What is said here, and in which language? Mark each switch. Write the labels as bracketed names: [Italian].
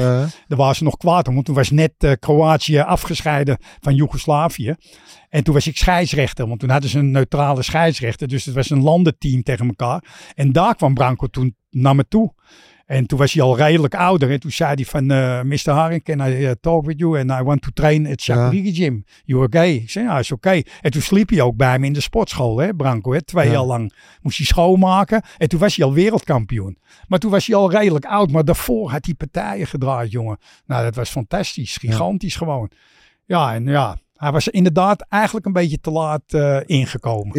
[Dutch] Daar waren ze nog kwaad om, want toen was net Kroatië afgescheiden van Joegoslavië. En toen was ik scheidsrechter, want toen hadden ze een neutrale scheidsrechter. Dus het was een landenteam tegen elkaar. En daar kwam Branko toen naar me toe. En toen was hij al redelijk ouder. En toen zei hij van, Mr. [English] Haring, can I talk with you? And I want to train at Shakurigi Gym. You okay? [Dutch] Ik zei, ja, is okay. En toen sliep hij ook bij me in de sportschool, hè, Branko. Hè? 2 jaar lang moest hij schoonmaken. En toen was hij al wereldkampioen. Maar toen was hij al redelijk oud. Maar daarvoor had hij partijen gedraaid, jongen. Nou, dat was fantastisch. Gigantisch gewoon. Ja, en ja. Hij was inderdaad eigenlijk een beetje te laat ingekomen.